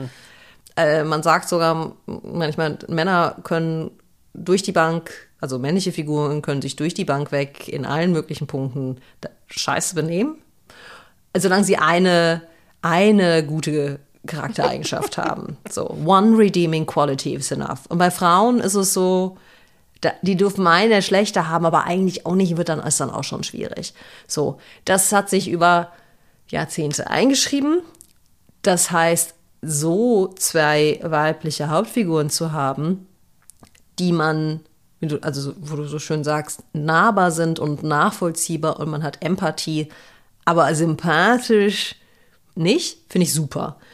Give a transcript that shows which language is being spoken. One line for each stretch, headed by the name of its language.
German: Mhm. Man sagt sogar manchmal, Männer können durch die Bank, also männliche Figuren können sich durch die Bank weg in allen möglichen Punkten scheiße benehmen. Solange sie eine gute Charaktereigenschaft haben.
English: So, one redeeming quality is enough.
German: Und bei Frauen ist es so, die dürfen eine schlechte haben, aber eigentlich auch nicht, ist dann auch schon schwierig. So, das hat sich über Jahrzehnte eingeschrieben. Das heißt, so zwei weibliche Hauptfiguren zu haben, die man, also wo du so schön sagst, nahbar sind und nachvollziehbar und man hat Empathie, aber sympathisch nicht, finde ich super.